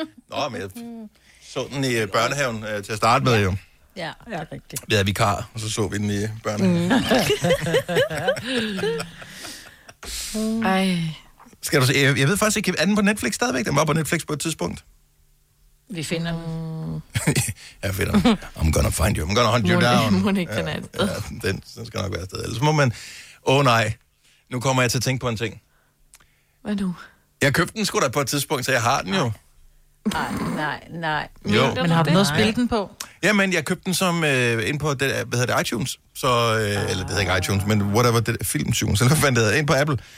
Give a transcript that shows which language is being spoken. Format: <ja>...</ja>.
<da>Nå, men jeg så den i børnehaven til at starte med, jo. Ja, rigtigt. Vi havde vikar, og så vi den i børnehaven. Ej. Skal du se? Jeg ved faktisk ikke, er den på Netflix stadigvæk? Den var på Netflix på et tidspunkt. Vi finder den. Jeg finder den.</da> <en>I'm gonna find you. I'm gonna hunt you down.</en> <da>Den skal nok være afsted. Ellers må man... nej. Nu kommer jeg til at tænke på en ting. Hvad nu? Jeg købte den sgu da på et tidspunkt, så jeg har den jo. Nej. Jo. Men har du noget at spille den på? Jamen, jeg købte den som ind på, iTunes. Så, eller det hedder ikke iTunes, men whatever, det Filmtunes, eller hvad fanden det hedder, ind på Apple.</da>